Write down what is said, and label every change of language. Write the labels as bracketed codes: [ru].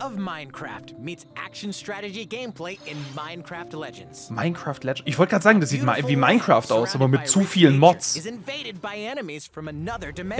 [en] World of Minecraft meets action strategy gameplay in Minecraft Legends. Minecraft Legends. [de] Ich wollte gerade sagen, das sieht mal wie Minecraft aus, aber mit zu vielen Mods. [en] Is invaded by enemies from another dimension.